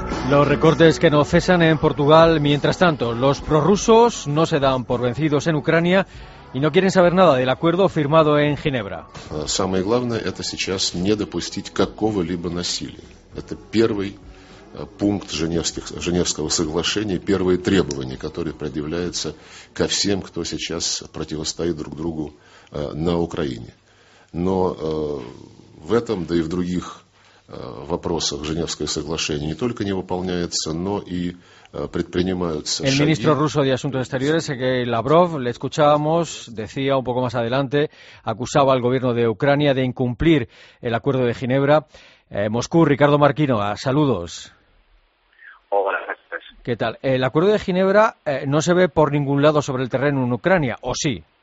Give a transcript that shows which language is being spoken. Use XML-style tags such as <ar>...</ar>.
<es>Los recortes que no cesan en Portugal, mientras tanto, los prorrusos no se dan por vencidos en Ucrania y no quieren saber nada del acuerdo firmado en Ginebra.</es> <ru>Самое главное это сейчас не допустить какого-либо насилия. Это первый пункт Женевского соглашения, первые требования, которые предъявляются ко всем, кто сейчас противостоит друг другу на Украине. Но в этом, да и в других вопросах Женевское соглашение не только не выполняется, но и предпринимаются шаги.</ru> <es>Ministro ruso de Asuntos Exteriores, Sergei Lavrov, le escuchábamos, decía un poco más adelante, acusaba al gobierno de Ucrania de incumplir el acuerdo de Ginebra. Moscú, Ricardo Marquino, saludos. Hola, gracias. ¿Qué tal? ¿El acuerdo de Ginebra no se ve por ningún lado sobre el terreno en Ucrania, o sí?</es>